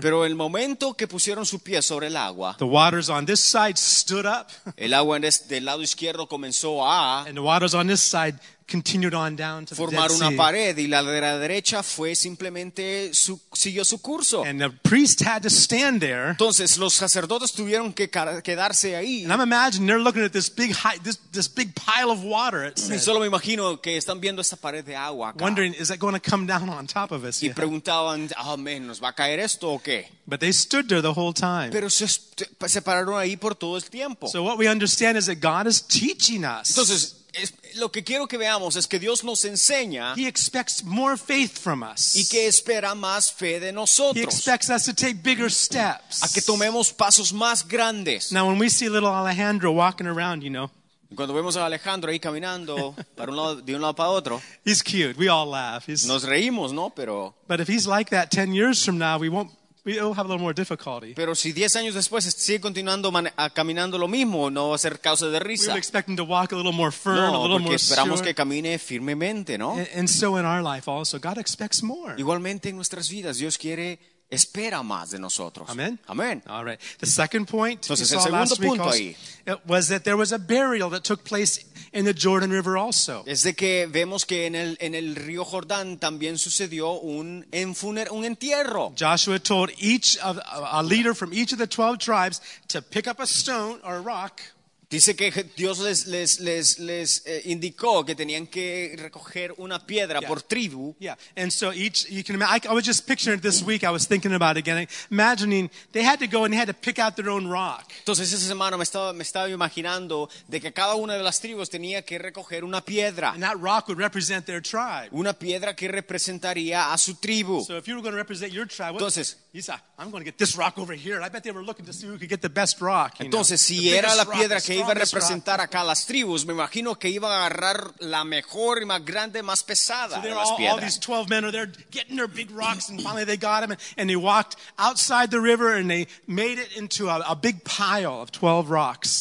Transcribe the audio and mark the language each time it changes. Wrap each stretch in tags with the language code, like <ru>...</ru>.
<es>pero el momento que pusieron su pie sobre el agua,</es> <en>the waters on this side stood up.</en> <es>El agua en del lado izquierdo comenzó a.</es> <en>And the waters on this side continued on down to</en> <es>formar</es> <en>the Dead</en> <es>una pared y la de la derecha fue simplemente siguió su curso.</es> <en>And the priest had to stand there.</en> <es>Entonces los sacerdotes tuvieron que quedarse ahí.</es> <en>And I'm imagining they're looking at this big pile of water.</en> <es>Y solo me imagino que están viendo esta pared de agua acá.</es> <en>Wondering, is that going to come down on top of us?</en> <es>Y preguntaban,</es> <en>oh, man,</en> <es>¿nos va a caer esto o qué?</es> <en>But they stood there the whole time.</en> <es>Pero se pararon ahí por todo el tiempo.</es> <en>So what we understand is that God is teaching us.</en> <es>Entonces, lo que quiero que veamos es que Dios nos enseña.</es> <en>He expects more faith from us.</en> <es>Y que espera más fe de nosotros.</es> <en>He expects us to take bigger steps.</en> <es>A que tomemos pasos más grandes.</es> <en>Now when we see little Alejandro walking around, you know.</en> <es>Cuando vemos a Alejandro ahí caminando para un lado, de un lado para otro,</es> <en>he's cute. We all laugh. He's...</en> <es>Nos reímos, ¿no? Pero...</es> <en>But if he's like that 10 years from now, we won't. We'll have a little more difficulty.</en> <es>Pero si 10 años después sigue continuando caminando lo mismo, no va a ser causa de risa.</es> <en>We're expecting to walk a little more firm,</en> <es>no,</es> <en>a little more sure.</en> <es>No, porque esperamos que camine firmemente, ¿no?</es> <en>And so in our life also, God expects more.</en> <es>Igualmente en nuestras vidas, Dios quiere espera más de nosotros.</es> <en>Amen.</en> <es>Amen.</es> <en>All right. The second point.</en> <es>Entonces el segundo punto ahí.</es> <en>It was that there was a burial that took place in the Jordan River also.</en> <es>Es de que vemos que en el río Jordán también sucedió un entierro.</es> <en>Joshua told each of a leader from each of the 12 tribes to pick up a stone or a rock.</en> <es>Dice que Dios les indicó que tenían que recoger una piedra por tribu.</es> <en>Yeah, and so each, you can imagine, I was just picturing it this week, I was thinking about it again, imagining they had to go and they had to pick out their own rock.</en> <es>Entonces esa semana me estaba imaginando de que cada una de las tribus tenía que recoger una piedra.</es> <en>And that rock would represent their tribe.</en> <es>Una piedra que representaría a su tribu.</es> <en>So if you were going to represent your tribe, what,</en> <es>entonces,</es> <en>you said, I'm going to get this rock over here. And I bet they were looking to see who could get the best rock.</en> <es>Entonces,</es> <en>know,</en> <es>si era la piedra que iba a representar acá las tribus, me imagino que iba a agarrar la mejor y más grande, más pesada de las piedras.</es> <en>All these 12 men are there getting their big rocks and finally they got them and they walked outside the river and they made it into a big pile of 12 rocks.</en>